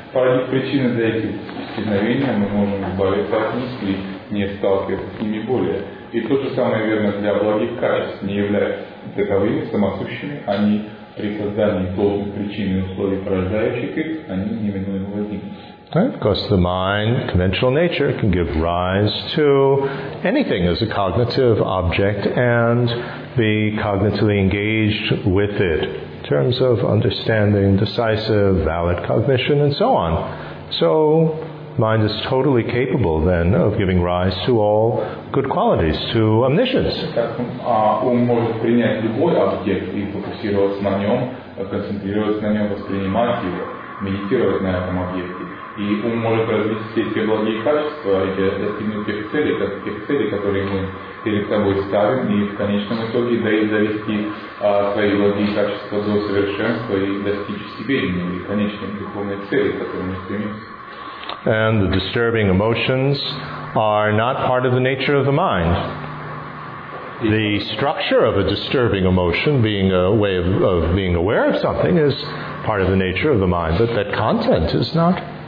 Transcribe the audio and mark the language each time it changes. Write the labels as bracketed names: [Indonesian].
[Russian] Породить причины для этих исчезновений мы можем избавиться от них и не сталкиваться с ними более. И то же самое верно для благих качеств, не являются таковыми самосущими, они при создании должных причин и условий, порождающих их, они неминуемо возникнут. [English] Of course, the mind, conventional nature, can give rise to anything as a cognitive object and be cognitively engaged with it in terms of understanding, decisive, valid cognition, and so on. So, mind is totally capable then of giving rise to all good qualities, to omniscience. [Russian] Ум может принять любой объект и фокусироваться на нем, концентрироваться на нем, воспринимать его, медитировать на этом объекте. И ум может развить все те благие качества и достигнуть тех целей, как тех целей, которые мы перед собой ставим, и в конечном итоге довести свои благие качества до совершенства и достичь себе и конечной духовной цели, к которой мы стремимся. [English] And the disturbing emotions are not part of the nature of the mind. The structure of a disturbing emotion, being a way of being aware of something, is part of the nature of the mind, but that content is not.